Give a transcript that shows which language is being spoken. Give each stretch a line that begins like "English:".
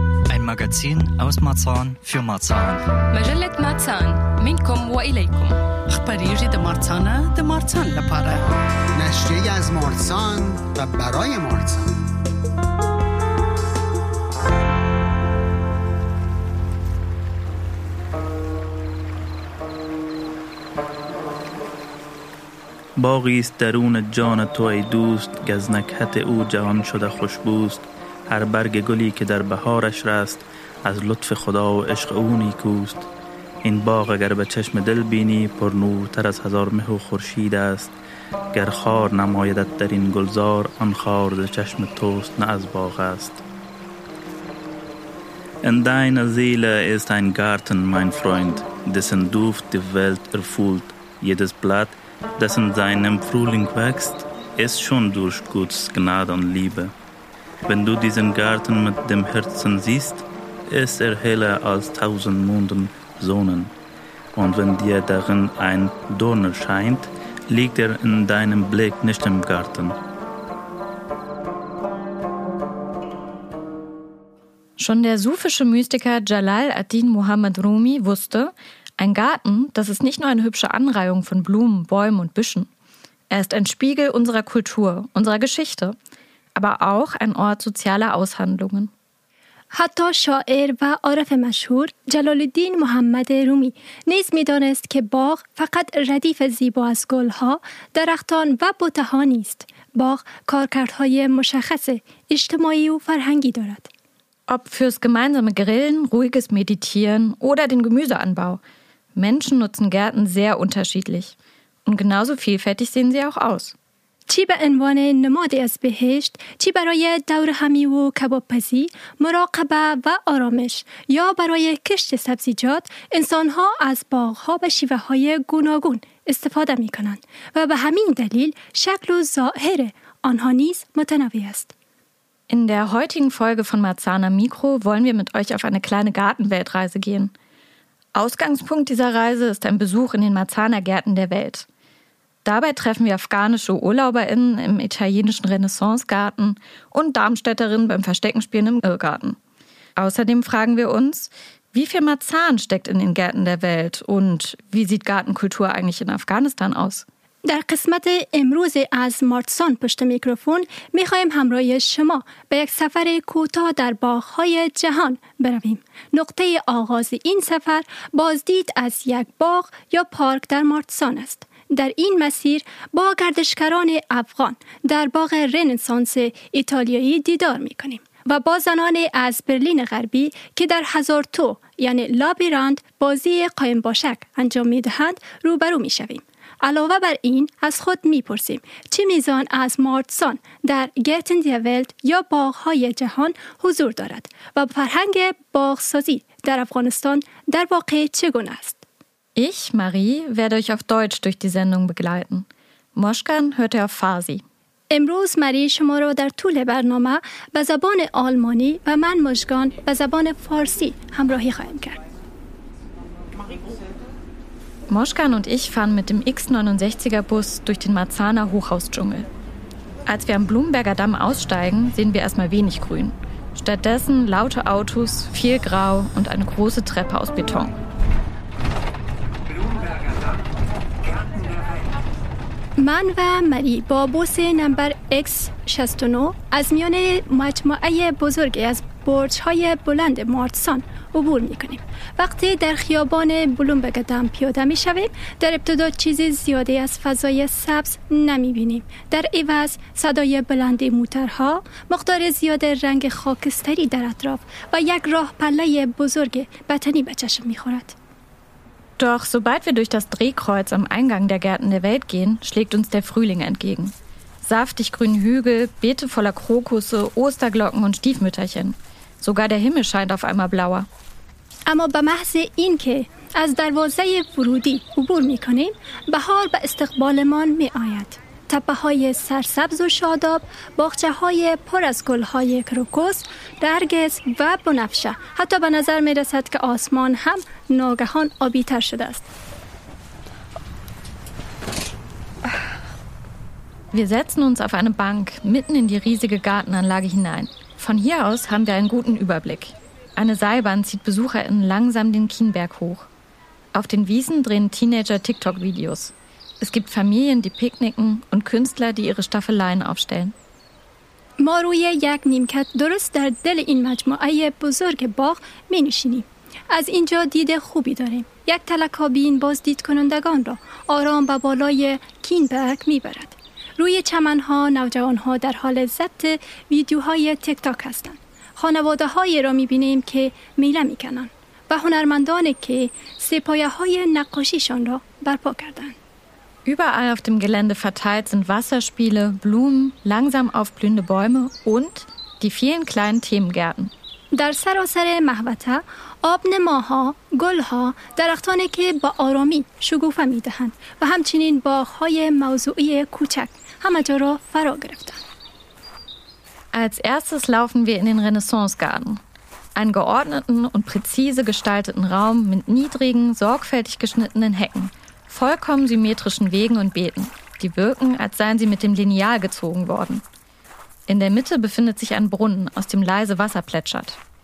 German: Ein Magazin aus Marzahn für Marzahn.
Arabic: مجلة Marzahn. منكم وإليكم. أخباري جديدة Marzahn. The Marzahn لبارة.
Persian: نشرية از Marzahn و برای Marzahn. باغی است درون جان تو ای دوست، گز نکهت او جهان شده خوشبوست. هر برگ گلی که در بهارش رست، از لطف خدا و عشق او نیکوست. این باغ اگر به چشم دل بینی، پر نورتر از هزار مه و خورشید است. گر خار نمایدت در این گلزار، آن خار در چشم توست نه از باغ است.
German: In deiner Seele ist ein Garten, mein Freund, dessen Duft die Welt erfüllt. Jedes Blatt, das in seinem Frühling wächst, ist schon durch Gottes Gnade und Liebe. Wenn du diesen Garten mit dem Herzen siehst, ist er heller als tausend Monden Sonnen. Und wenn dir darin ein Dorn erscheint, liegt er in deinem Blick nicht im Garten. Schon der sufische Mystiker Jalal ad-Din Muhammad Rumi wusste, ein Garten, das ist nicht nur eine hübsche Anreihung von Blumen, Bäumen und Büschen. Er ist ein Spiegel unserer Kultur, unserer Geschichte, aber auch ein Ort sozialer Aushandlungen.
Persian: حتی شاعر و عارف مشهور جلال الدین محمد رومی نیز می دانست که باغ فقط ردیف زیبا از گلها، درختان و بوته‌ها نیست. باغ کارکردهای مشخص اجتماعی و فرهنگی دارد.
German: Ob fürs gemeinsame Grillen, ruhiges Meditieren oder den Gemüseanbau. Menschen nutzen Gärten sehr unterschiedlich. Und genauso vielfältig sehen sie auch aus.
Persian: چی به عنوان نمادی از بهشت، چی برای دور همی و کباب‌پزی، مراقبه و آرامش یا برای کشت سبزیجات، انسان‌ها از باغ‌ها به شیوه‌های گوناگون استفاده می‌کنند و به همین دلیل شکل و ظاهر آنها نیز متنوع است.
German: In der heutigen Folge von Marzahner Mikro wollen wir mit euch auf eine kleine Gartenweltreise gehen. Ausgangspunkt dieser Reise ist ein Besuch in den Marzahner Gärten der Welt. Dabei treffen wir afghanische UrlauberInnen im italienischen Renaissancegarten und Darmstädterinnen beim Versteckenspielen im Irrgarten. Außerdem fragen wir uns, wie viel Marzahn steckt in den Gärten der Welt und wie sieht Gartenkultur eigentlich in Afghanistan aus?
Persian: در قسمت امروز از Marzahn پشت میکروفون می خواهیم همراه شما به یک سفر کوتاه در باغ‌های جهان برویم. نقطه آغاز این سفر بازدید از یک باغ یا پارک در Marzahn است. در این مسیر با گردشگران افغان در باغ رنسانس ایتالیایی دیدار می کنیم و با زنان از برلین غربی که در هزار تو یعنی لابی راند بازی قایم باشک انجام می دهند روبرو می شویم. علاوه بر این از خود میپرسیم چه میزان از Marzahn در گرتن دی ولت یا باغ‌های جهان حضور دارد و فرهنگ باغ‌سازی در افغانستان در واقع چگونه است.
German: Ich Marie werde euch auf Deutsch durch die Sendung begleiten. Moshkan hört ihr auf Farsi.
Persian: امروز ماری شما را در طول برنامه به زبان آلمانی و من Moshkan به زبان فارسی همراهی خواهیم کرد.
German: Moshkan und ich fahren mit dem X69er-Bus durch den Marzahner Hochhausdschungel. Als wir am Blumenberger Damm aussteigen, sehen wir erstmal wenig Grün. Stattdessen laute Autos, viel Grau und eine große Treppe aus Beton.
Persian: من و مری با بوس نمبر X69 از میان مجموعه بزرگی از برج‌های بلند Marzahn عبور می‌کنیم. وقتی در خیابان بلومبرگ دام پیاده می‌شویم، در ابتدا چیزی زیادی از فضای سبز نمی‌بینیم. در عوض صدای بلند موترها، مقدار زیاد رنگ خاکستری در اطراف و یک راه پله بزرگ بتنی به چشم می‌خورد.
German: Doch sobald wir durch das Drehkreuz am Eingang der Gärten der Welt gehen, schlägt uns der Frühling entgegen. Saftig grüne Hügel, Beete voller Krokusse, Osterglocken und Stiefmütterchen. Sogar der Himmel scheint auf einmal blauer. Aber bei
Persian: محض اینکه از دروازه ورودی عبور میکنیم، بهار به استقبالمان میآید. تپه‌های سرسبز و شاداب، باغچه‌های پر از گل‌های کروکوس، نرگس و بنفشه. حتی به نظر می‌رسد که آسمان هم ناگهان آبی‌تر شده است.
German: Wir setzen uns auf eine Bank mitten in die riesige Gartenanlage hinein. Von hier aus haben wir einen guten Überblick. Eine Seilbahn zieht BesucherInnen langsam den Kienberg hoch. Auf den Wiesen drehen Teenager TikTok-Videos. Es gibt Familien, die picknicken und Künstler, die ihre Staffeleien aufstellen.
Persian: ما روی یک نیمکت درست در دل این مجموعه بزرگ باغ می نشینیم. از اینجا دید خوبی داریم. یک تلکابین بازدید کنندگان را آرام به بالای کینبرگ می برد. روی چمنها نوجوانها در حال ضبط ویدیوهای تک تاک هستند. خانواده های را می بینیم که میله می کنند و هنرمندان که سپایه های نقاشیشان را برپا کردند.
German: Überall auf dem Gelände verteilt sind Wasserspiele, Blumen, langsam aufblühende Bäume und die vielen kleinen Themengärten.
Persian: در سراسر محوطه آبنماها، گلها، درختانی که با آرامی شکوفه می‌دهند و همچنین باغ‌های موضوعی کوچک همه جا را فرا گرفتند.
German: Als erstes laufen wir in den Renaissancegarten. Einen geordneten und präzise gestalteten Raum mit niedrigen, sorgfältig geschnittenen Hecken. Vollkommen symmetrischen Wegen und Beeten. Die wirken, als seien sie mit dem Lineal gezogen worden. In der Mitte befindet sich ein Brunnen, aus dem leise Wasser plätschert.